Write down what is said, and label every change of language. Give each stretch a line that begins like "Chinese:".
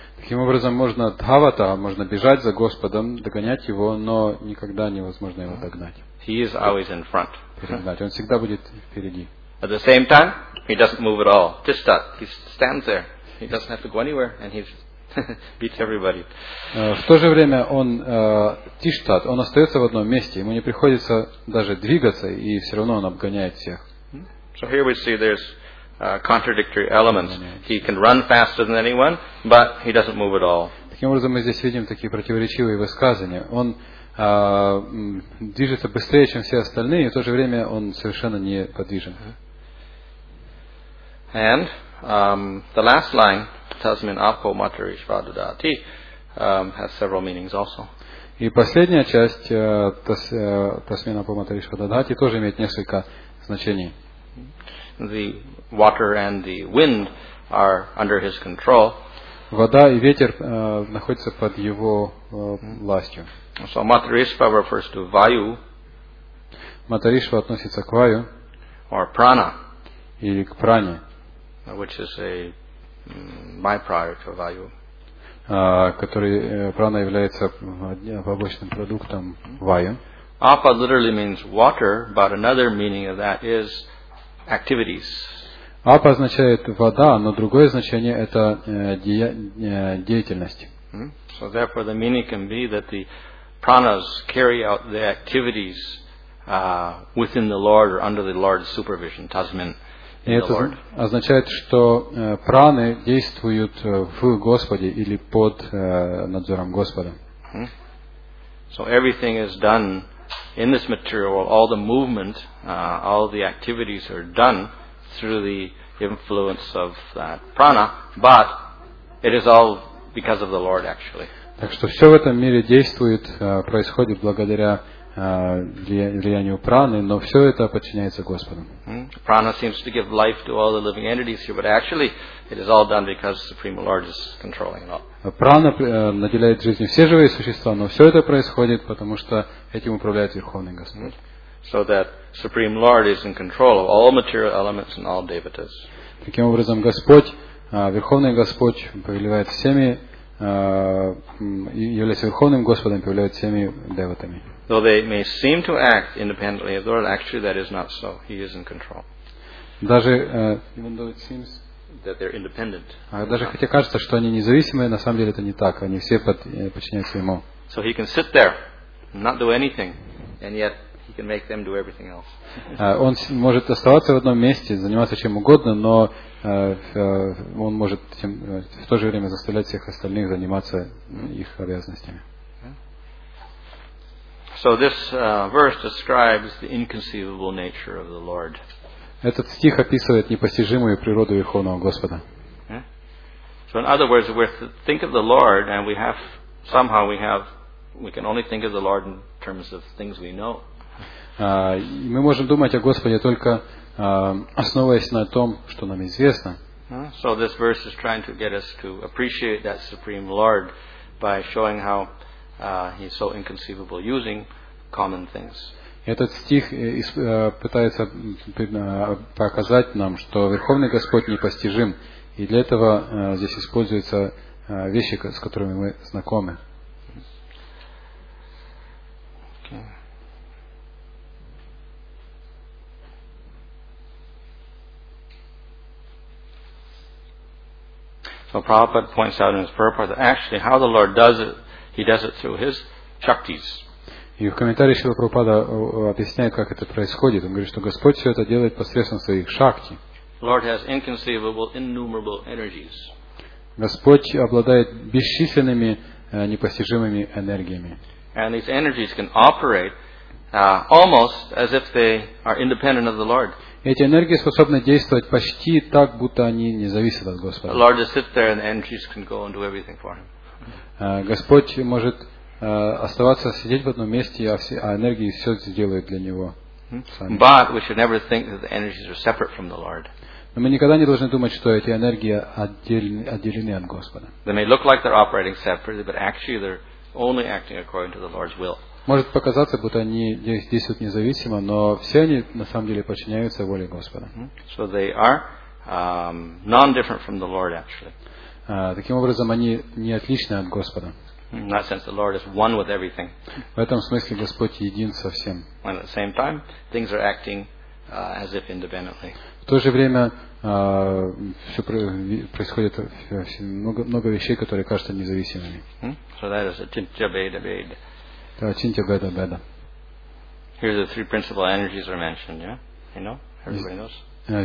Russian: Таким образом, можно Давата, можно бежать за Господом, догонять Его, но никогда невозможно Его догнать.
English: He is always in front.
Russian: Он всегда будет впереди.
English: At the same time, He doesn't move at all. Just that. He stands there. He doesn't have to go anywhere, and He's beats everybody.
Russian: В то же время он тиштат, он остается в одном месте, ему не приходится даже двигаться, и все равно он обгоняет всех.
English: So here we see there's contradictory elements. He can run faster than anyone, but he doesn't move at all.
Russian: Таким образом, мы здесь видим такие противоречивые высказывания. Он движется быстрее, чем все остальные, и в то же время он совершенно неподвижен.
English: And the last line tells me apo matarishvadadati has several meanings also.
Russian: И последняя часть тасмина по матаришвададати тоже имеет несколько значений.
English: The water and the wind are under his control.
Russian: Вода и ветер находятся под его властью.
English: So matarishva refers to vayu.
Russian: Matarishva относится к ваю.
English: Or prana.
Russian: Или к пране.
English: Which is a byproduct of vayu.
Russian: Который прана является побочным продуктом vayu.
English: Apa literally means water, but another meaning of that is activities.
Russian: Apa означает вода, но другое значение это деятельность.
English: So therefore the meaning can be that the pranas carry out the activities within the Lord or under the Lord's supervision, tasmin.
Russian: И это означает, что праны действуют в Господе или под надзором Господа.
English: So everything is done in this material world. All the movement, all the activities are done through the influence of that prana, but it is all because of the Lord, actually.
Russian: Так что все в этом мире действует, происходит благодаря влиянию праны, но все это подчиняется Господу.
English: Prana seems to give life to all the living entities here, but actually it is all done because the Supreme Lord is controlling it all.
Russian: Прана наделяет жизнью все живые существа, но все это происходит, потому что этим управляет Верховный Господь.
English: So that Supreme Lord is in control of all material elements and all devatas.
Russian: Таким образом, Господь, Верховный Господь, повелевает всеми, является Верховным Господом, повелевает всеми деватами.
English: Though they may seem to act independently of the Lord, actually that is not so. He is in control.
Russian: Даже
English: even though it seems that they're independent.
Russian: Даже хотя кажется, что они независимые, на самом деле это не так. Они все подчиняются ему.
English: So he can sit there, not do anything, and yet he can make them do everything else.
Russian: Он может оставаться в одном месте, заниматься чем угодно, но он может в то же время заставлять всех остальных заниматься их обязанностями.
English: So this verse describes the inconceivable nature of the Lord.
Russian: Этот стих описывает непостижимую природу Верховного Господа.
English: So in other words, we think of the Lord, and we can only think of the Lord in terms of things we know.
Russian: Мы можем думать о Господе только основываясь на том, что нам известно.
English: So this verse is trying to get us to appreciate that Supreme Lord by showing how he's so inconceivable using common things.
Russian: Этот стих пытается показать нам, что Верховный Господь непостижим, и для этого здесь используются вещи, с которыми мы знакомы.
English: Okay. So Prabhupada points out in his purport that actually how the Lord does it, He does it through His shaktis.
Russian: И в комментарии Шрила Прабхупада объясняет, как это происходит. Он говорит, что Господь все это делает посредством своих шакти.
English: Lord has inconceivable, innumerable energies.
Russian: Господь обладает бесчисленными непостижимыми энергиями.
English: And these energies can operate almost as if they are independent of the Lord.
Russian: Эти энергии способны действовать почти так, будто они не зависят от Господа.
English: The Lord just sits there and the energies can go and do everything for him.
Russian: Господь может оставаться, сидеть в одном месте, а энергии все сделают для него. Сами.
English: But we should never think that the energies are separate from the Lord.
Russian: Но мы никогда не должны думать, что эти энергии отделены от Господа.
English: They may look like they're operating separately, but actually they're only acting according to the Lord's will.
Russian: Может показаться, будто они действуют независимо, но все они на самом деле подчиняются воле Господа.
English: So they are non-different from the Lord, actually.
Russian: Таким образом, они не отличны от Господа.
English: In that sense, the Lord is one with everything.
Russian: В этом смысле Господь един со всем.
English: And at the same time, things are acting as if independently.
Russian: В то же время все происходит много вещей, которые кажутся независимыми.
English: So that is a chintyabedabed.
Russian: Это chintyabedabed.
English: Here the three principal energies are mentioned. Yeah, you know, everybody knows.